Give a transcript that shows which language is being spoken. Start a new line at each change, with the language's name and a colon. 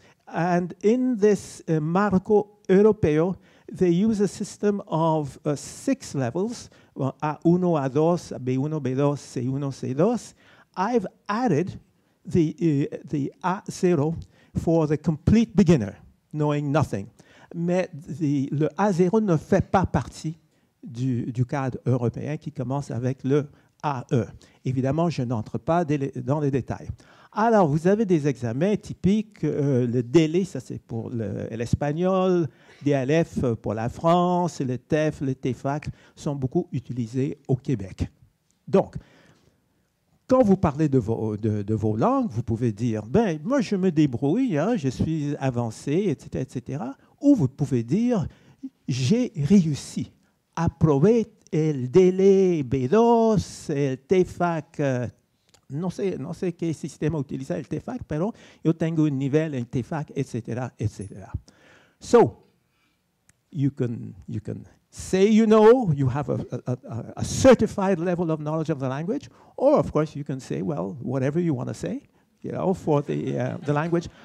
English: And in this
Spanish: marco europeo,
English: they use a system of six levels, A1, A2, B1, B2, C1, C2. I've added the A0 for the complete beginner, knowing nothing.
French: Mais le A0 ne fait pas partie du cadre européen qui commence avec le AE. Évidemment, je n'entre pas dans les détails. Alors, vous avez des examens typiques, le DELE, ça c'est pour l'espagnol, DLF pour la France, le TEF, le TEFAC sont beaucoup utilisés au Québec. Donc, quand vous parlez de vos langues, vous pouvez dire, ben, moi je me débrouille, hein, je suis avancé, etc., etc. Ou vous pouvez dire, j'ai réussi à prouver el DELE B2, el TEFAC.
Spanish: No sé qué sistema utiliza el TEFAC, pero yo tengo un nivel en TEFAC, etc., etc.
English: So, you can say you know, you have a certified level of knowledge of the language, or of course you can say, well, whatever you want to say, you know, for the language.